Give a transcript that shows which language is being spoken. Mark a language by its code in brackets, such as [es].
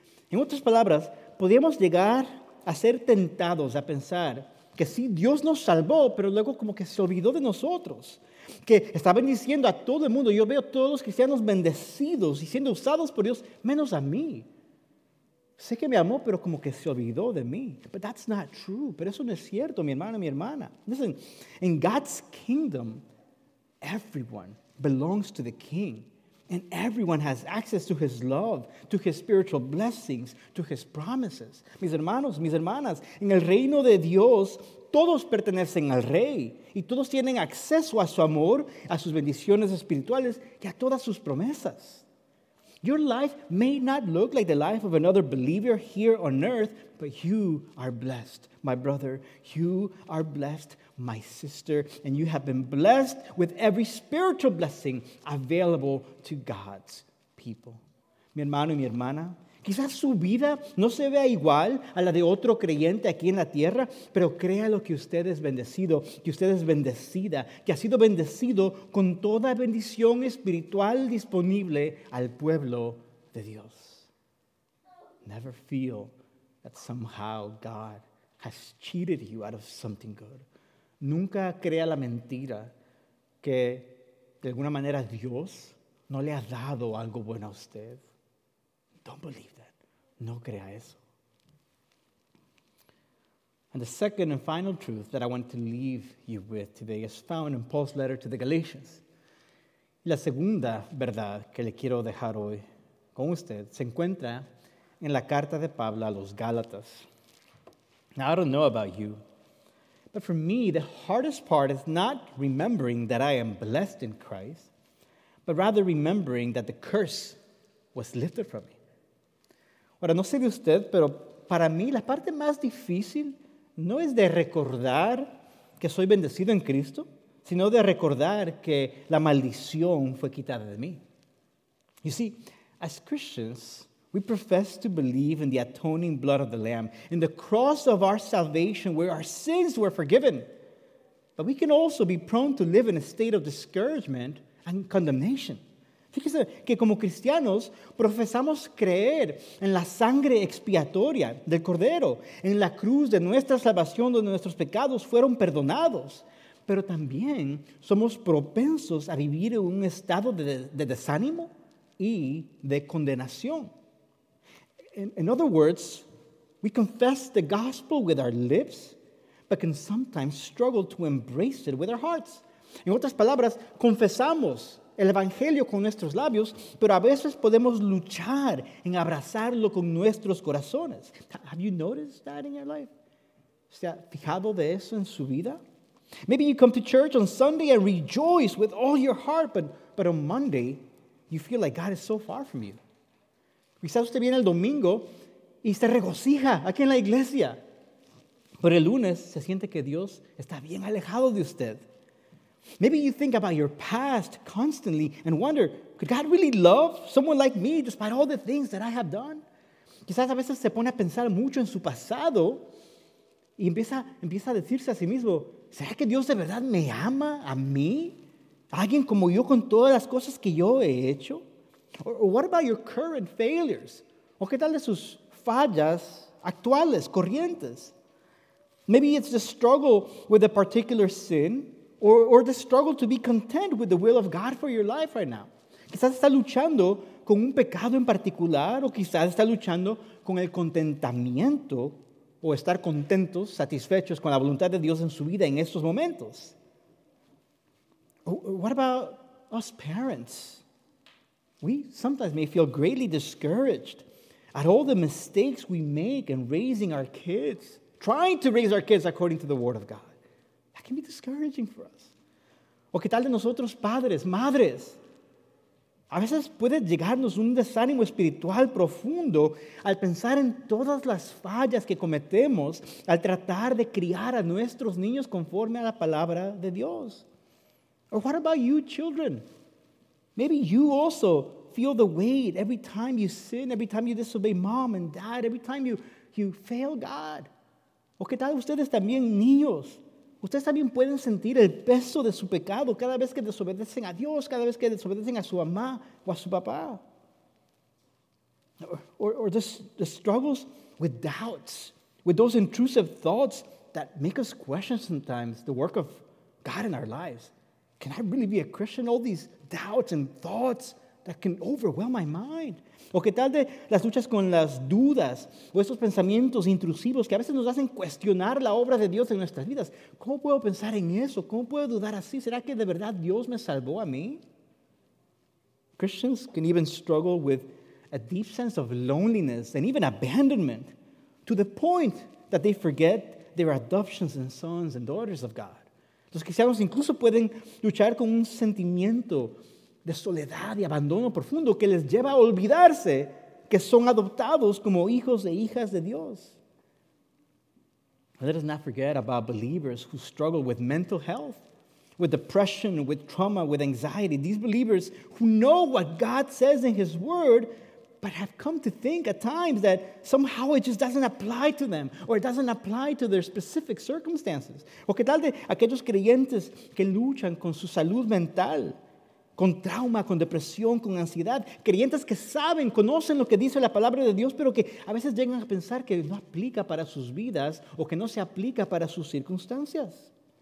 [es] En otras palabras, podríamos llegar a ser tentados a pensar que sí, Dios nos salvó, pero luego como que se olvidó de nosotros, que está bendiciendo a todo el mundo. Yo veo todos los cristianos bendecidos y siendo usados por Dios, menos a mí. Sé que me amó, pero como que se olvidó de mí. [en] But that's not true. [es] Pero eso no es cierto, mi hermano, mi hermana. [en] Listen, in God's kingdom, everyone belongs to the King, and everyone has access to his love, to his spiritual blessings, to his promises. [es] Mis hermanos, mis hermanas, en el reino de Dios, todos pertenecen al Rey, y todos tienen acceso a su amor, a sus bendiciones espirituales, y a todas sus promesas. [en] Your life may not look like the life of another believer here on earth, but you are blessed, my brother. You are blessed, my sister. And you have been blessed with every spiritual blessing available to God's people. [es] Mi hermano y mi hermana, quizás su vida no se vea igual a la de otro creyente aquí en la tierra, pero créalo que usted es bendecido, que usted es bendecida, que ha sido bendecido con toda bendición espiritual disponible al pueblo de Dios. [en] Never feel that somehow God has cheated you out of something good. [es] Nunca crea la mentira que de alguna manera Dios no le ha dado algo bueno a usted. [en] Don't believe that. [es] No crea eso. [en] And the second and final truth that I want to leave you with today is found in Paul's letter to the Galatians. [es] La segunda verdad que le quiero dejar hoy con usted se encuentra en la carta de Pablo a los Gálatas. [en] Now, I don't know about you, but for me, the hardest part is not remembering that I am blessed in Christ, but rather remembering that the curse was lifted from me. [es] Ahora, no sé de usted, pero para mí la parte más difícil no es de recordar que soy bendecido en Cristo, sino de recordar que la maldición fue quitada de mí. [en] You see, as Christians, we profess to believe in the atoning blood of the Lamb, in the cross of our salvation where our sins were forgiven. But we can also be prone to live in a state of discouragement and condemnation. [es] Fíjese que como cristianos profesamos creer en la sangre expiatoria del Cordero, en la cruz de nuestra salvación donde nuestros pecados fueron perdonados. Pero también somos propensos a vivir en un estado de desánimo y de condenación. [en] In other words, we confess the gospel with our lips, but can sometimes struggle to embrace it with our hearts. [es] En otras palabras, confesamos el evangelio con nuestros labios, pero a veces podemos luchar en abrazarlo con nuestros corazones. [en] Have you noticed that in your life? [es] ¿Se ha fijado de eso en su vida? [en] Maybe you come to church on Sunday and rejoice with all your heart, but on Monday, you feel like God is so far from you. [es] Quizás usted viene el domingo y se regocija aquí en la iglesia, pero el lunes se siente que Dios está bien alejado de usted. [en] Maybe you think about your past constantly and wonder, could God really love someone like me despite all the things that I have done? [es] Quizás a veces se pone a pensar mucho en su pasado y empieza a decirse a sí mismo, ¿será que Dios de verdad me ama a mí? ¿Alguien como yo con todas las cosas que yo he hecho? [en] Or what about your current failures? [es] ¿O qué tal de sus fallas actuales, corrientes? [en] Maybe it's the struggle with a particular sin or the struggle to be content with the will of God for your life right now. [es] Quizás está luchando con un pecado en particular o quizás está luchando con el contentamiento o estar contentos, satisfechos con la voluntad de Dios en su vida en estos momentos. [en] Or what about us parents? We sometimes may feel greatly discouraged at all the mistakes we make in raising our kids, trying to raise our kids according to the Word of God. That can be discouraging for us. [es] ¿O qué tal de nosotros padres, madres? A veces puede llegarnos un desánimo espiritual profundo al pensar en todas las fallas que cometemos al tratar de criar a nuestros niños conforme a la palabra de Dios. [en] Or what about you, children? Maybe you also feel the weight every time you sin, every time you disobey mom and dad, every time you fail God. [es] ¿O qué tal ustedes también, niños? Ustedes también pueden sentir el peso de su pecado cada vez que desobedecen a Dios, cada vez que desobedecen a su mamá o a su papá. [en] Or the struggles with doubts, with those intrusive thoughts that make us question sometimes the work of God in our lives. Can I really be a Christian? All these doubts and thoughts that can overwhelm my mind. [es] ¿O qué tal de las luchas con las dudas o esos pensamientos intrusivos que a veces nos hacen cuestionar la obra de Dios en nuestras vidas? ¿Cómo puedo pensar en eso? ¿Cómo puedo dudar así? ¿Será que de verdad Dios me salvó a mí? [en] Christians can even struggle with a deep sense of loneliness and even abandonment to the point that they forget their adoptions and sons and daughters of God. [es] Los cristianos incluso pueden luchar con un sentimiento de soledad y abandono profundo que les lleva a olvidarse que son adoptados como hijos e hijas de Dios. [en] Let us not forget about believers who struggle with mental health, with depression, with trauma, with anxiety. These believers who know what God says in His Word, but have come to think at times that somehow it just doesn't apply to them, or it doesn't apply to their specific circumstances. [es] ¿O qué tal de aquellos creyentes que luchan con su salud mental, con trauma, con depresión, con ansiedad? Creyentes que saben, conocen lo que dice la palabra de Dios, pero que a veces llegan a pensar que no aplica para sus vidas o que no se aplica para sus circunstancias.